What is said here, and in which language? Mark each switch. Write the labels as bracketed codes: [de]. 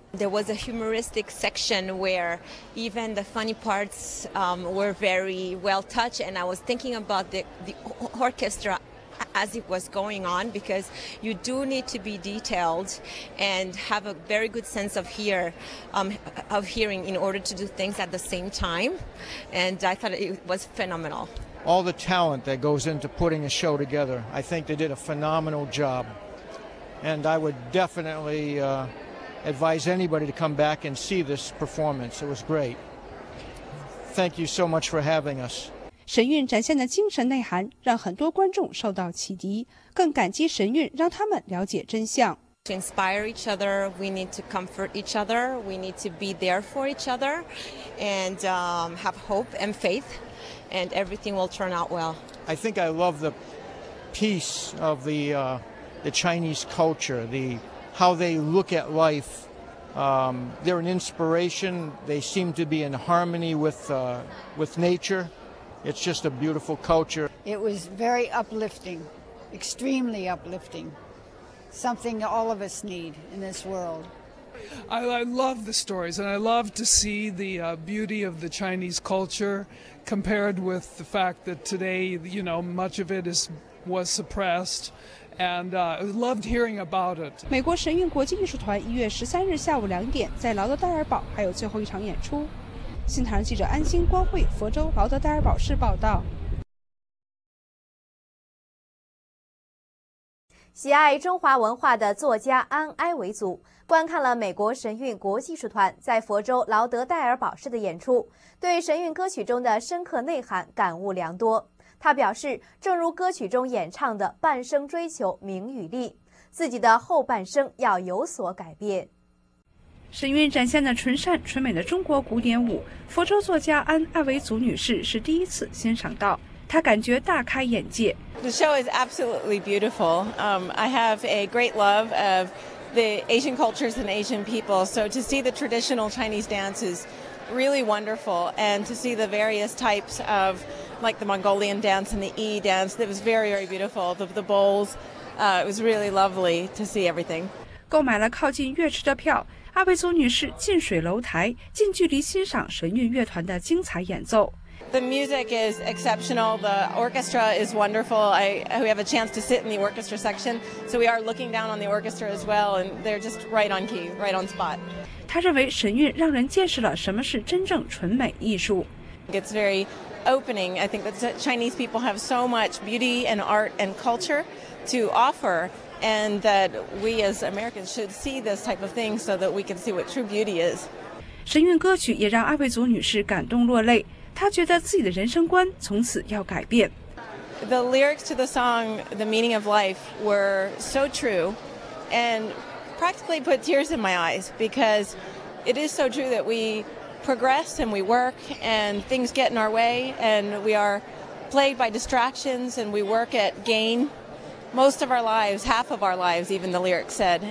[en] There was a humoristic section where even the funny parts were very well touched, and I was thinking about the orchestra as it was going on, because you do need to be detailed and have a very good sense of hearing in order to do things at the same time. And I thought it was phenomenal. All the talent that goes into putting a show together, I think they did a phenomenal job. And I would definitely advise anybody to come back and see this performance. It was great. Thank you so much for having us. [zh] 神韵展现的精神内涵让很多观众受到启迪，更感激神韵让他们了解真相。 [en] To inspire each other, we need to comfort each other, we need to be there for each other, and have hope and faith, and everything will turn out well. I think I love the piece of the Chinese culture, how they look at life. They're an inspiration, they seem to be in harmony with nature. It's just a beautiful culture. It was very uplifting, extremely uplifting. Something all of us need in this world. I love the stories, and I love to see the beauty of the Chinese culture compared with the fact that today, you know, much of it was suppressed. And loved hearing about it. [zh] 美国神韵国际艺术团1月13日下午2点在劳德代尔堡还有最后一场演出。新唐人记者安心、光慧，佛州劳德代尔堡市报道。喜爱中华文化的作家安埃维族观看了美国神韵国际艺术团在佛州劳德戴尔堡市的演出，对神韵歌曲中的深刻内涵感悟良多。他表示，正如歌曲中演唱的半生追求名与利，自己的后半生要有所改变。神韵展现的纯善纯美的中国古典舞，佛州作家安埃维族女士是第一次欣赏到，她感觉大开眼界。 [en] The show is absolutely beautiful. I have a great love of the Asian cultures and Asian people. So to see the traditional Chinese dance is really wonderful, and to see the various types of, like the Mongolian dance and the Yi dance, that was very, very beautiful. The bowls, it was really lovely to see everything. [zh] 购买了靠近乐池的票，阿维苏女士近水楼台，近距离欣赏神韵乐团的精彩演奏。 [en] The music is exceptional. The orchestra is wonderful. We have a chance to sit in the orchestra section, so we are looking down on the orchestra as well, and they're just right on key, right on spot. [zh] 她认为神韵让人见识了什么是真正纯美艺术。 [en] It's very opening. I think that Chinese people have so much beauty and art and culture to offer, and that we as Americans should see this type of thing so that we can see what true beauty is. [zh] 神韵歌曲也让阿维族女士感动落泪。他觉得自己的人生观从此要改变。 [en] The lyrics to the song, The Meaning of Life, were so true and practically put tears in my eyes because it is so true that we progress and we work and things get in our way and we are plagued by distractions and we work at gain most of our lives, half of our lives, even the lyrics said.